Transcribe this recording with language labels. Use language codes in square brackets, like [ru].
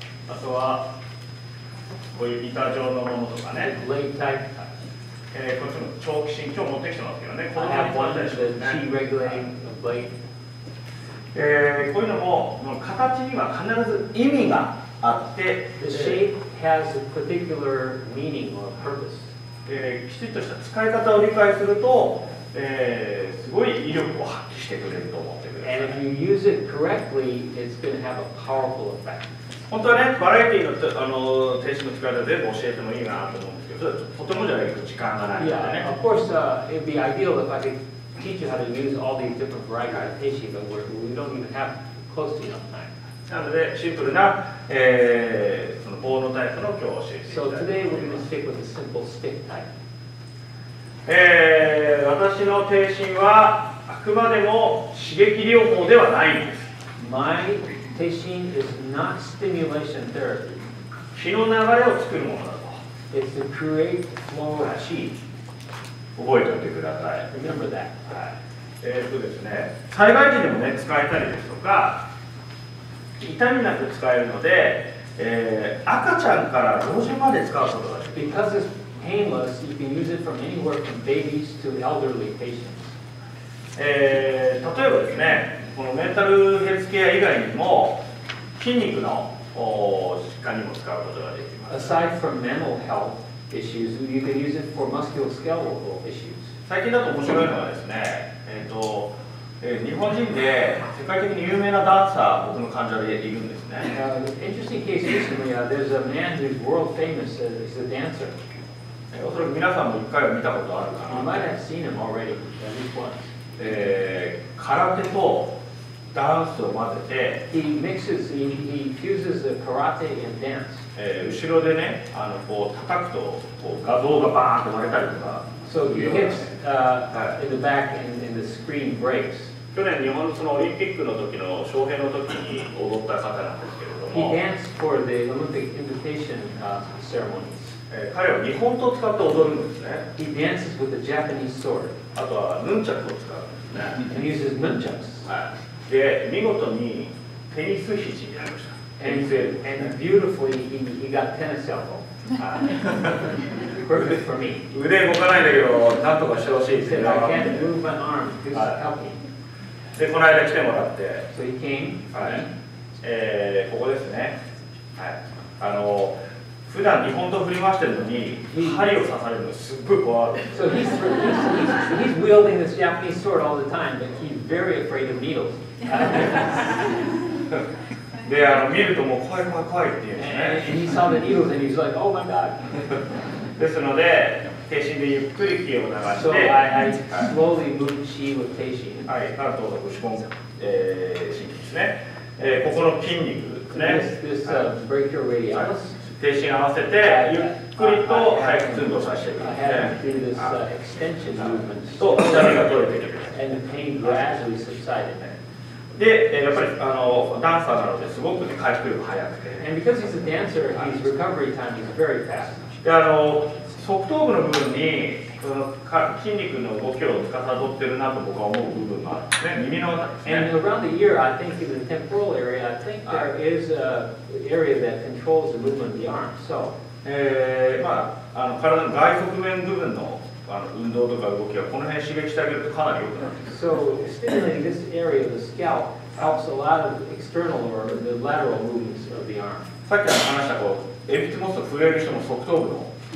[ja] あとは、こういう板状のものとかね。 [en] The blade type. [ja] こっちの長期芯、今日持ってきてますけどね。この辺は、ね、 [en] the T-regulating blade. [ja] こういうのも、もう形には必ず意味があって、 [en] The shape has a particular meaning or purpose. [ja] きちっとした使い方を理解すると、すごい威力を発揮してくれると思ってください。 [en] And if you use it correctly, it's going to have a powerful effect. [ja] 本当はね、バラエティの、停止の使い方全部教えてもいいなと思うんですけど、とてもじゃないと時間がないので、ね。 [en] Yeah, of course, it'd be ideal if I could... teach you how to use all these different varieties of teishi, but we don't even have close to enough time. [ja] なのでシンプルな、その棒のタイプの今日教えていただきます。 [en] So today we're going to stick with a simple stick type. [ja] 私の停止はあくまでも刺激療法ではないんです。 [en] My teishi is not stimulation therapy. [ja] 気の流れを作るものだと。 [en] It's to create flow of qi. [ja] 覚えておいてください。 [en] Remember that. [ja] はい。ですね、災害時でもね、使えたりですとか、痛みなく使えるので、赤ちゃんから老人まで使うことができます。 [en] Because it's painless, you can use it from anywhere from babies to elderly patients. [ja] 例えばですね、このメンタルヘルスケア以外にも、筋肉の疾患にも使うことができます。 [en] Aside from mental health,issues, you can use it for musculoskeletal issues. [ja] 最近だと面白いのはですね、日本人で世界的に有名なダンサー、僕の患者でいるんですね。 [en] Interesting case recently, there's a man who's world famous, he's a dancer. [ja] おそらく皆さんも一回は見たことあるかな。 [en] You might have seen him already, at least once. [ja] 空手とダンスを混ぜて、 [en] He mixes, he fuses the karate and dance. [ja] 後ろでね、こう叩くとこう画像がバーンと割れたりとか。 [en] So you hit in the back and the screen breaks. [ja] 去年日本のそのオリンピックの時の翔平の時に踊った方なんですけれども。 [en] He danced for the Olympic invitation ceremonies. [ja] 彼は日本刀使って踊るんですね。 [en] He dances with a Japanese sword. [ja] あとはヌンチャクを使うんですね。 [en] And he uses nunchucks. [ja] で、見事にテニス肘になりました。 [en] And beautifully he got tennis elbow. Perfect for me. [ja] 腕動かないんだけど、なんとかしてほしいって。 [en] I can't move my arm. Just help me. [ja] で、この間来てもらって。 [en] So he came. [ja] はい。ここですね。はい。普段日本刀振り回してるのに、針を刺されるのすっごい怖い。 So he's wielding this Japanese sword all the time, but he's very afraid of needles. で、見るともう怖い怖い怖いって言うんですね。 And he saw the needles and he's like, oh my god. ですので、停止でゆっくり気を流して。 So I slowly move chi with 停止。はい、カルトを押し込む。神経ですね。ここの筋肉ですね。 [en] This break your radius. [ja] 停止合わせて、ゆっくりと早く寸胴させていくんですね。 [en] I had to do this extension movement. [ja] と、痛みが取れていく。 [en] And the pain gradually subsided. [ja] で、やっぱりダンサーなのですごく、ね、回復力が早くて。 [en] And because he's a dancer, his recovery time is very fast. [ja] で、側頭部の部分に筋肉の動きを司っているなと僕は思う部分があって、耳の辺りですね。 [en] And around the ear, I think in the temporal area, I think there is an area that controls the movement of the arm. So, [ja] まあ、体の外側面部分の、運動とか動きはこの辺刺激してあげるとかなり良くなります。 [en] So, stimulating this area of the scalp helps a lot of external or the lateral movements of the arm. [ja] さっき話したこう、鉛筆持つと震える人の側頭部の、